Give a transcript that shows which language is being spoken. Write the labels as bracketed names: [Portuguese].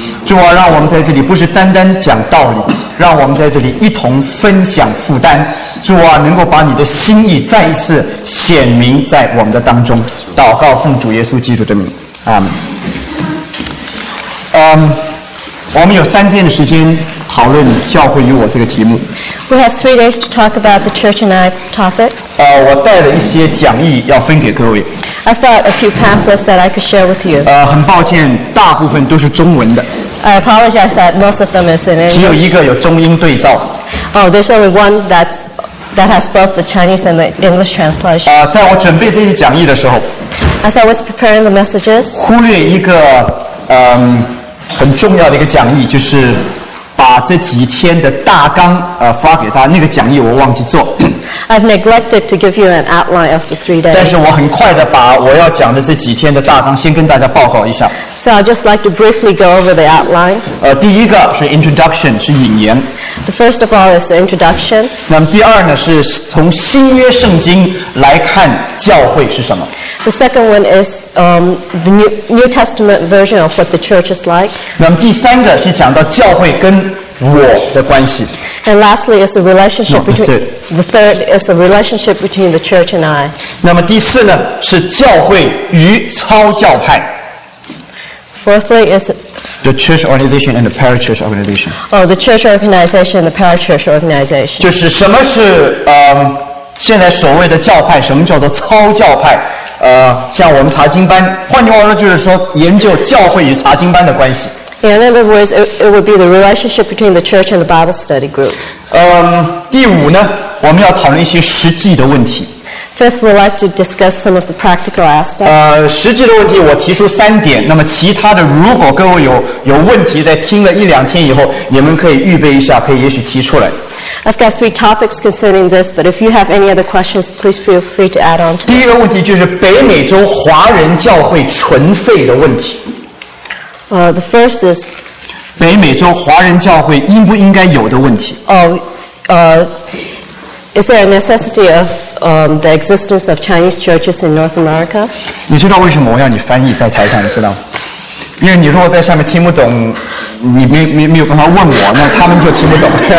[Chinese] 主啊，让我们在这里不是单单讲道理，让我们在这里一同分享负担。主啊，能够把你的心意再一次显明在我们的当中。祷告奉主耶稣基督的名，阿门。我们有三天的时间讨论教会与我这个题目。 [English] We have 3 days to talk about the church and I topic. [Chinese] 我带了一些讲义要分给各位。 [English] I brought a few pamphlets that I could share with you. [Chinese] 很抱歉，大部分都是中文的。 [English] I apologize that most of them is in English. [Chinese] 只有一个有中英对照。 [English] Oh, there's only one that has both the Chinese and the English translation. [Chinese] 在我准备这些讲义的时候 [English] ，As I was preparing the messages, [Chinese] 忽略一个很重要的一个讲义，就是把这几天的大纲发给他。那个讲义我忘记做。 [English] I've neglected to give you an outline of the 3 days. [Chinese] 但是我很快的把我要讲的这几天的大纲先跟大家报告一下。 [English] So I'd just like to briefly go over the outline. [Chinese] 第一个是 introduction， 是引言。 [English] The first of all is the introduction. [Chinese] 那么第二呢，是从新约圣经来看教会是什么。 [English] The second one is the New Testament version of what the church is like. [Chinese] 那么第三个是讲到教会跟我的关系。 [English] And lastly is the relationship between the third is the relationship between the church and I. [Chinese] 那么第四呢是教会与超教派。 [English] Fourthly is the church organization and the parachurch organization. Oh, the church organization and the parachurch organization. [Chinese] 就是什么是现在所谓的教派，什么叫做超教派？像我们查经班，换句话说就是说研究教会与查经班的关系。 [English] In other words, it would be the relationship between the church and the Bible study groups. [Chinese] 第五呢，我们要讨论一些实际的问题。 [English] Fifth, we'd like to discuss some of the practical aspects. [Chinese] 实际的问题我提出三点，那么其他的如果各位有问题，在听了一两天以后，你们可以预备一下，可以也许提出来。 [English] I've got 3 topics concerning this, but if you have any other questions, please feel free to add on to. [Chinese] 第一个问题就是北美洲华人教会存废的问题。 [English] The first is [Chinese] 北美洲华人教会应不应该有的问题。 [English] Is there a necessity of the existence of Chinese churches in North America? [Chinese] 你知道为什么我要你翻译在台上，你知道吗？因为你如果在上面听不懂，你没有办法问我，那他们就听不懂。